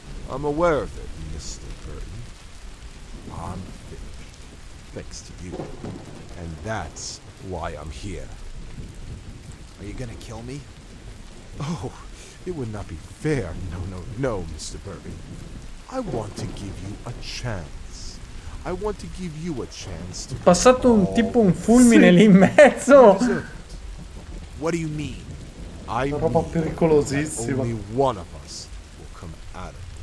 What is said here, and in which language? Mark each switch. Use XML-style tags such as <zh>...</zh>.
<en>I'm aware of it, Mr. Burton. I'm finished. Thanks to you. And that's why I'm here. Are you gonna kill me? Oh, it would not be fair. No, no, no, Mr. Burton. I want to give you a chance. I want to give you a chance to...</en> <it>Passato un tipo un fulmine lì in mezzo!</it> <en>What do you mean? I mean</en> <it>pericolosissimo.</it> <en>Only one of us will come out of it.</en>